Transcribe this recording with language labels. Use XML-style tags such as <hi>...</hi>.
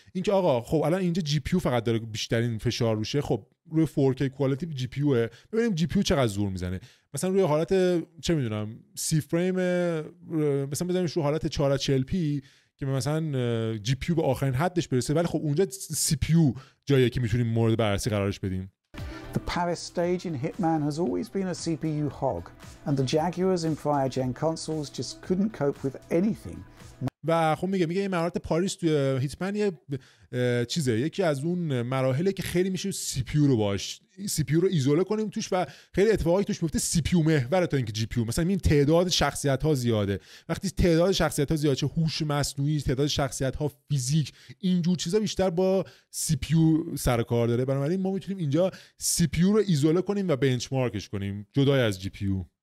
<fa>اینکه آقا خب الان اینجا جی پی یو فقط داره بیشترین فشار روشه، خب روی 4K کوالیتی جی پی یوه، ببینیم جی پی یو چقدر زور میزنه. مثلا روی حالت چه میدونم 30 فریم، مثلا بزنیمش رو حالت 1440p که مثلا جی پی یو به آخرین حدش برسه، ولی خب اونجا سی پی یو جاییه که میتونیم مورد بررسی قرارش بدیم.</fa> <en>The Paris stage in Hitman has always been a CPU hog, and the Jaguars in prior gen consoles just couldn't cope with anything.</en> <fa>و خب میگه این مراحل پاریس توی هیتمن یه چیزه، یکی از اون مراحله که خیلی میشه CPU رو باش، CPU رو ایزوله کنیم توش و خیلی اتفاقی توش میفته CPU محور تا اینکه GPU. مثلا این تعداد شخصیت ها زیاده، وقتی تعداد شخصیت ها زیاده، چه هوش مصنوعی، تعداد شخصیت ها، فیزیک، اینجور چیزا بیشتر با CPU سرکار داره، بنابراین ما میتونیم اینجا CPU رو ایزوله کنیم و بنچمارکش کنیم جدا از GPU.</fa>